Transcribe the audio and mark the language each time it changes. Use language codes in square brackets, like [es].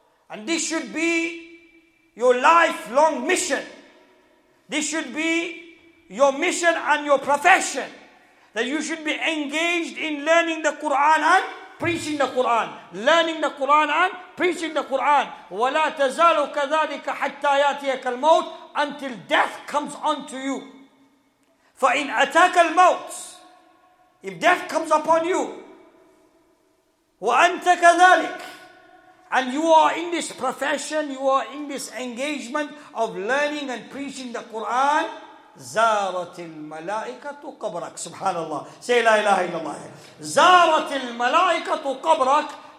[en] And this should be your lifelong mission. This should be your mission and your profession. That you should be engaged in learning the Qur'an and preaching the Quran, learning the Quran and preaching the Quran. [ar] وَلَا تَزَالُ كَذَلِكَ حَتَّى يَاتِيَكَ الْمَوْتِ, [en] until death comes onto you. [ar] فَإِنْ أَتَاكَ الْمَوْتِ, [en] if death comes upon you, [ar] وَأَنْتَ كَذَلِكَ, [en] and you are in this profession, you are in this engagement of learning and preaching the Quran, [ar] زارت الملائكة قبرك. سبحان الله. [en] Say [ar] لا إله إلا الله. زارت الملائكة قبرك.